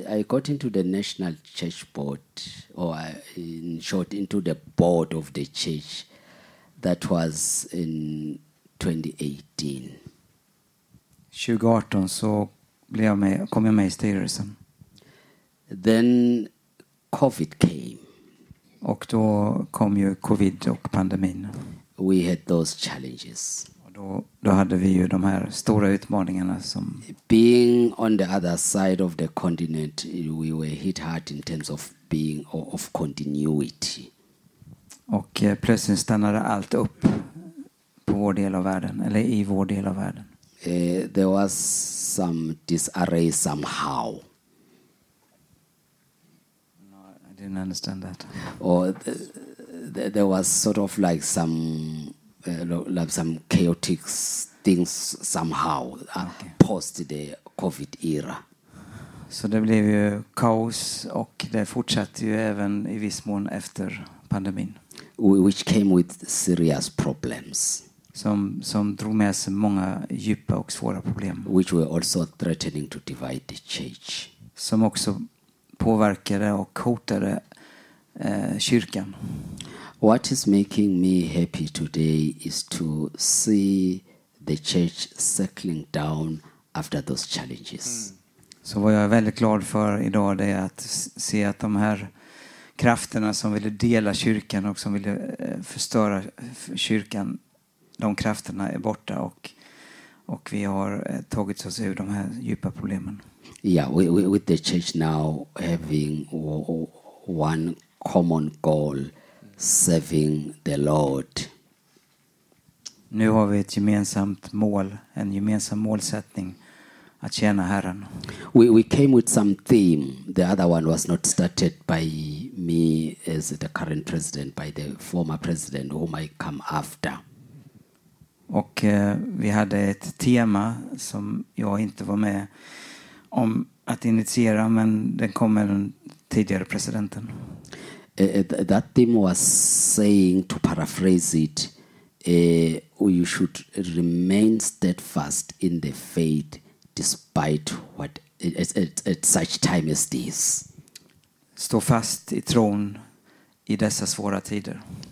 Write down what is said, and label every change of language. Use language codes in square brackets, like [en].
[en] I got into the National Church Board, into the board of the church, that was in 2018. [sv] 2018, så kom jag med i styrelsen. [en] Then COVID came. [sv] Och då kom ju COVID och pandemin. [en] We had those challenges. [sv] Då hade vi ju de här stora utmaningarna som... [en] Being on the other side of the continent, we were hit hard in terms of being of continuity. [sv] Och plötsligt stannade allt upp på vår del av världen, eller i vår del av världen. [en] There was some disarray somehow. No, I didn't understand that. Or there was sort of like some chaotic things somehow, okay, post the COVID era. [sv] Så det blev ju kaos och det fortsatte ju även i viss mån efter pandemin. [en] Which came with serious problems. [sv] Som drog med sig många djupa och svåra problem. [en] Which were also threatening to divide the church. [sv] Som också påverkade och hotade kyrkan. [en] What is making me happy today is to see the church settling down after those challenges. [sv] Så vad jag är väldigt glad för idag är att se att de här krafterna som ville dela kyrkan och som ville förstöra kyrkan, de krafterna är borta och vi har tagit oss ur de här djupa problemen. [en] Yeah, with the church now having one common goal, serving the Lord. [sv] Nu har vi ett gemensamt mål, en gemensam målsättning att tjäna Herren. [en] We came with some theme. The other one was not started by me as the current president, by the former president whom I come after. [sv] Och vi hade ett tema som jag inte var med om att initiera, men den kommer den tidigare presidenten. [en] That theme was saying, to paraphrase it, you should remain steadfast in the faith despite what at such time as this. [sv] Stå fast i tron i dessa svåra tider.